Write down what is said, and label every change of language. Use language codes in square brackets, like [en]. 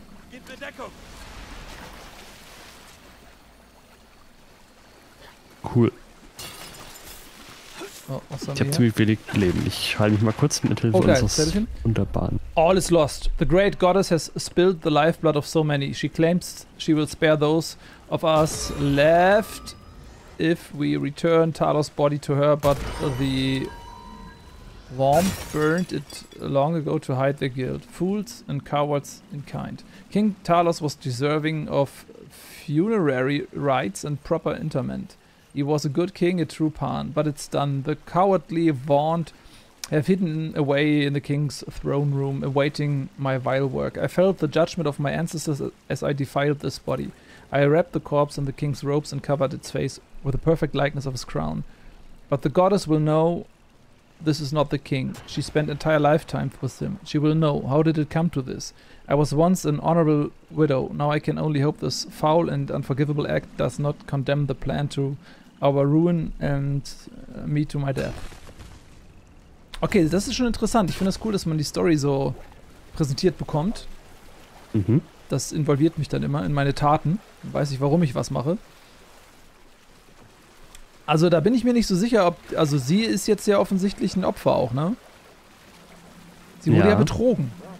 [de] Gib mir Deckung! Cool. Oh, ich hab ziemlich wenig Leben. Ich heile mich mal kurz mit Hilfe unseres Unterbahn. [en] All is lost. The great goddess has spilled the lifeblood of so many. She claims she will spare those of us left if we return Talos' body to her, but the worm burned it long ago to hide their guilt. Fools and cowards in kind. King Talos was deserving of funerary rites and proper interment. He was a good king, a true pawn, but it's done. The cowardly Vaunt have hidden away in the king's throne room, awaiting my vile work. I felt the judgment of my ancestors as I defiled this body. I wrapped the corpse in the king's robes and covered its face with the perfect likeness of his crown. But the goddess will know this is not the king. She spent entire lifetime with him. She will know. How did it come to this? I was once an honorable widow. Now I can only hope this foul and unforgivable act does not condemn the plan to our ruin and me to my death. [de] Okay, das ist schon interessant. Ich finde es das cool, dass man die Story so präsentiert bekommt. Mhm. Das involviert mich dann immer in meine Taten. Weiß ich, warum ich was mache. Also da bin ich mir nicht so sicher, ob... Also sie ist jetzt ja offensichtlich ein Opfer auch, ne? Sie wurde ja betrogen.